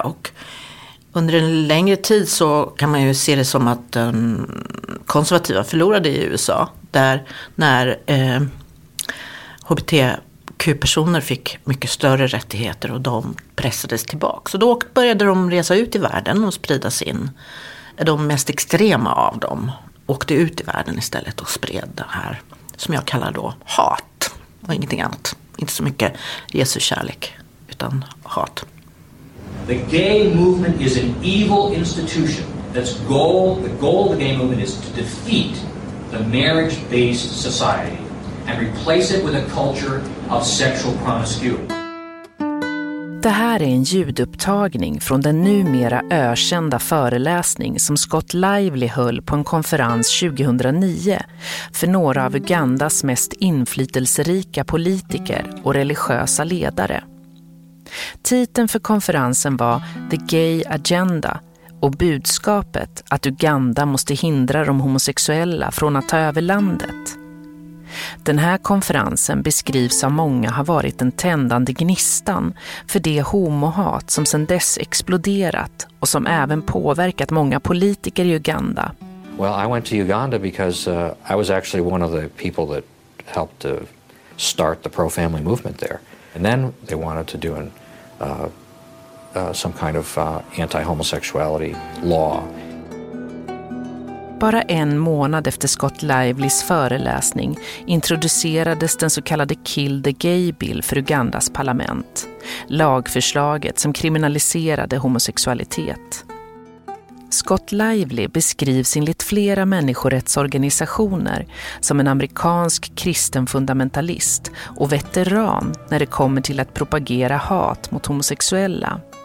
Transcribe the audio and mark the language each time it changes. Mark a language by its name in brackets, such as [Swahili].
[Swedish] Och under en längre tid så kan man ju se det som att den konservativa förlorade i USA, där när HBTQ-personer fick mycket större rättigheter och de pressades tillbaka. Så då började de resa ut i världen och sprida sin, de mest extrema av dem åkte ut i världen istället och spred det här som jag kallar då hat och ingenting annat. Inte så mycket Jesu kärlek utan hat. [English] The gay movement is an evil institution. The goal of the gay movement is to defeat the marriage-based society and replace it with a culture of sexual promiscuity. [Swedish] Det här är en ljudupptagning från den numera ökända föreläsning som Scott Lively höll på en konferens 2009 för några av Ugandas mest inflytelserika politiker och religiösa ledare. Titeln för konferensen var The Gay Agenda och budskapet att Uganda måste hindra de homosexuella från att ta över landet. Den här konferensen beskrivs av många ha varit den tändande gnistan för det homohat som sedan dess exploderat och som även påverkat många politiker i Uganda. [English] Well, I went to Uganda because I was actually one of the people that helped to start the pro-family movement there. And then they wanted to do some kind of anti-homosexuality law. [Swedish] Bara en månad efter Scott Livelys föreläsning introducerades den så kallade Kill the Gay Bill för Ugandas parlament. Lagförslaget som kriminaliserade homosexualitet. Scott Lively beskrivs enligt flera människorättsorganisationer som en amerikansk kristen fundamentalist och veteran när det kommer till att propagera hat mot homosexuella.